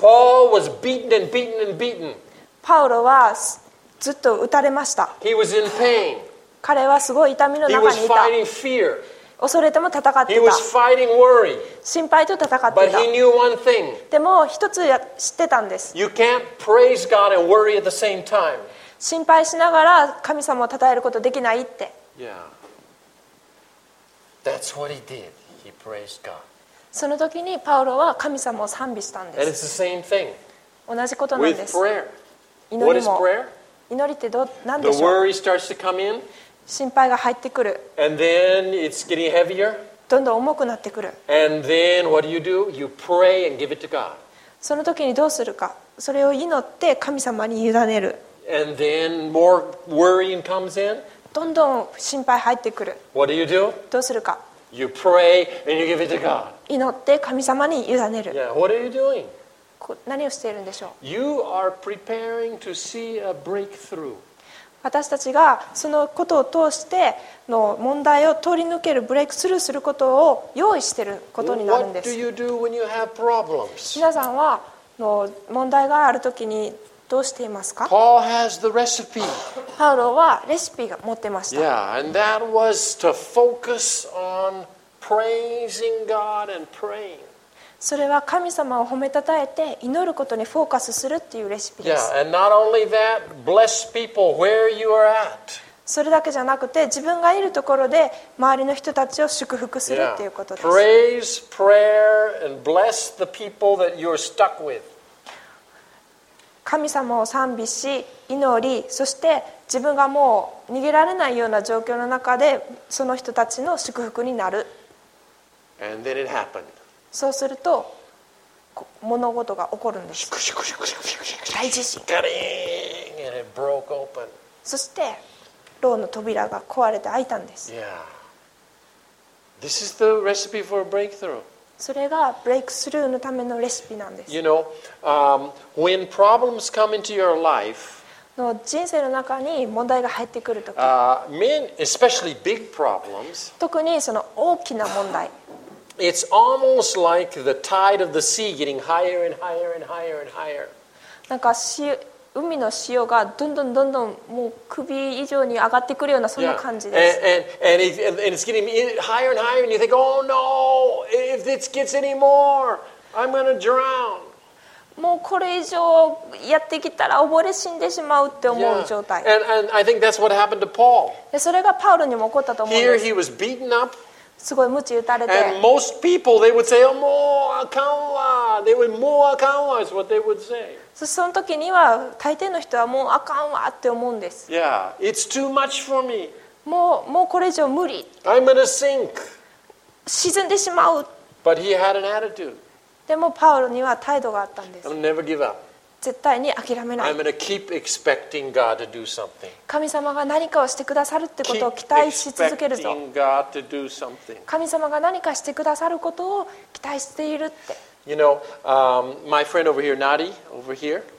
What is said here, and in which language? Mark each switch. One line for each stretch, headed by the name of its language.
English: Paul was beaten and beaten and beaten.
Japanese: パウロはずっと打たれました。
English: He was in pain.
Japanese: 彼はすごい痛みの中にいた。
English: He was fighting fear.
Japanese: 恐れても戦ってた。
English: He was fighting worry.
Japanese: 心配と戦ってた。
English: But he knew one thing.
Japanese: でも一つ知ってたんです。
English: You can't praise God and worry at the same time.
Japanese: 心配しながら神様を称えることできないって。
English: Yeah. That's what he did. He praised God.
Japanese: その時にパウロは神様を賛美したんです。
English: And it's the same thing.
Japanese: 同じことなんです。
English: With prayer.
Japanese: 祈りも。
English: What is prayer?
Japanese: 祈りって何でしょう?
English: The worry starts to come in.
Japanese: 心配が入ってくる。
English: And then it's getting heavier.
Japanese: どんどん重くなってくる。
English: And then what do? You pray and give it to God.
Japanese: その時にどうするか。それを祈って神様に委ねる。
English: And then more worrying comes in.
Japanese: どんどん心配入ってくる。
English: What do you do?
Japanese: どうするか。
English: You pray and you give it to God.
Japanese: 祈って神様に委ねる。
English: Yeah. What are you doing?
Japanese: 何をしているんでしょう。
English: You are preparing to see a breakthrough.
Japanese: 私たちがそのことを通しての問題を通り抜けるブレイクスルーすることを用意していることになるんです。
English: What do you do when you have problems?
Japanese: 皆さんはの問題があるときに。どうしていますか?
English: Paul has the recipe.
Japanese: パウロはレシピが持ってました。
English: Yeah, and that was to focus on praising God and praying.
Japanese: それは神様を褒めたたえて祈ることにフォーカスするっていうレシピです。
English: Yeah, and not only that, bless people where you are at.
Japanese: それだけじゃなくて自分がいるところで周りの人たちを祝福するっていうことです。
English: Praise, prayer, and bless the people that you're stuck with.
Japanese: 神様を賛美し祈り、そして自分がもう逃げられないような状況の中でその人たちの祝福になる。
English: And then it happened.
Japanese: そうすると物事が起こるんです。大地震、ガリーン、
English: and it broke open.
Japanese: そして牢の扉が壊れて開いたんです。
English: Yeah. This is the recipe for a breakthrough.
Japanese: それがブレイクスルーのためのレシピなんです。
English: You know, when problems come into your life,
Japanese: の人生の中に問題が入ってくるとき、
English: men, especially big problems,
Japanese: 特にその大きな問題、
English: it's almost like the tide of the sea getting higher and higher and higher and higher.
Japanese: なんか海の潮がどんどんどんどんもう首以上に上がってくるようなそんな感じです。
English: Yeah. And it's getting higher and higher, and you think, oh no, if this gets any more, I'm gonna drown.
Japanese: もうこれ以上やってきたら溺れ死んでしまうって思う状態。
English: Yeah. And I think that's what happened to Paul.
Japanese: それがパウロにも起こったと思うんです。
English: Here he was beaten up.
Japanese: すごい鞭打たれて。
English: And most people they would say, oh, more, akawa. They would more akawa is what they would say.
Japanese: その時には大抵の人はもうあかんわって思うんです。
English: Yeah, it's too much for me.
Japanese: もうこれ以上無理。
English: I'm gonna sink.
Japanese: 沈んでしまう。
English: But he had an attitude.
Japanese: でもパウロには態度があったんです。
English: I'll never give up.
Japanese: 絶対に諦めない。
English: I'm gonna keep expecting God to do something.
Japanese: 神様が何かをしてくださるってことを期待し続けるぞ。
English: Keep expecting God to do something.
Japanese: 神様が何かしてくださることを期待しているって。
English: You know, my friend over here, Nadi, over here.